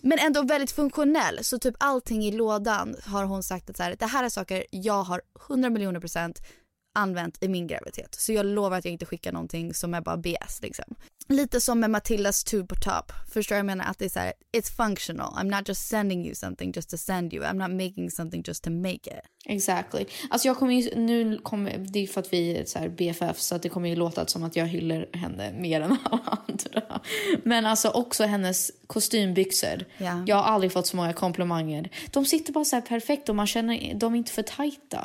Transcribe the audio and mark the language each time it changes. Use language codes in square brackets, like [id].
[sv] Men ändå väldigt funktionell. Så typ allting i lådan har hon sagt att så här, det här är saker jag har 100 miljoner % använt i min graviditet. Så jag lovar att jag inte skickar någonting som är bara BS liksom. Lite som med Matildas tube top. Förstår jag menar att det är så här, [en] it's functional. I'm not just sending you something just to send you. I'm not making something just to make it. Exactly. [sv] Alltså jag kommer ju, nu kommer, det är för att vi är så här BFF så att det kommer ju låta som att jag hyllar henne mer än alla andra. Men alltså också hennes kostymbyxor. [en] Yeah. [sv] Jag har aldrig fått så många komplimanger. De sitter bara så här perfekt och man känner, de är inte för tajta.